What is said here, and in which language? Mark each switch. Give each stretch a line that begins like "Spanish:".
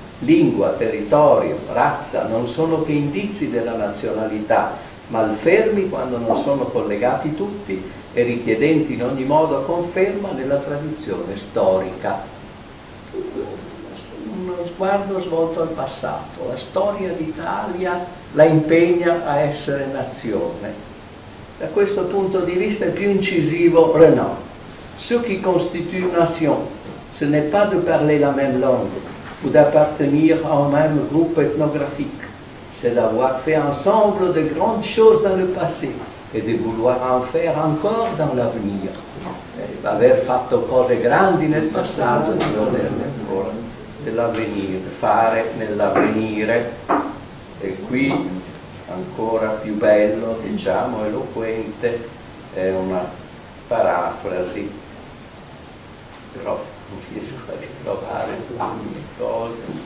Italian: Lingua, territorio, razza non sono che indizi della nazionalità, malfermi quando non sono collegati tutti e richiedenti in ogni modo conferma nella tradizione storica. Sguardo svolto al passato, la storia d'Italia la impegna a essere nazione. Da questo punto di vista è più incisivo Renan.
French: Ce qui constitue une nation, ce n'est pas de parler la même langue ou d'appartenir à un même groupe ethnographique, c'est d'avoir fait ensemble de grandes choses dans le passé et de vouloir en faire encore dans l'avenir.
Italian: Aver fatto cose grandi nel passato e di volerne ancora. Dell'avvenire, fare nell'avvenire, e qui ancora più bello, diciamo, eloquente, è una parafrasi, però non riesco a ritrovare tutte le cose.